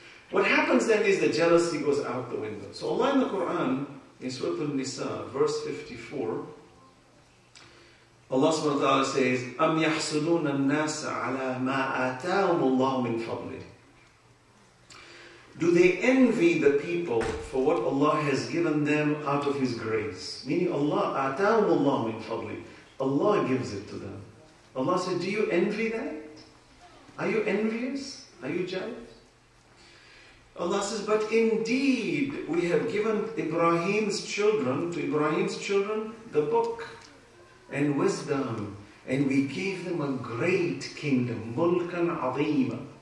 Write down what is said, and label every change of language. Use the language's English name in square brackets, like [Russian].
[English] What happens then is the jealousy goes out the window. So Allah in the Quran, in Surah Al-Nisa, verse 54, Allah subhanahu wa ta'ala says, [Arabic] أَمْ يَحْسُدُونَ النَّاسَ عَلَى مَا آتَاهُمُ اللَّهُ مِنْ فَضْلِهِ. [English] Do they envy the people for what Allah has given them out of His grace? Meaning Allah, [Arabic] آتَاهُمُ اللَّهُ مِنْ فَضْلِهِ. [English] Allah gives it to them. Allah said, do you envy that? Are you envious? Are you jealous? Allah says, but indeed we have given to Ibrahim's children, the book and wisdom, and we gave them a great kingdom, mulkan azeema.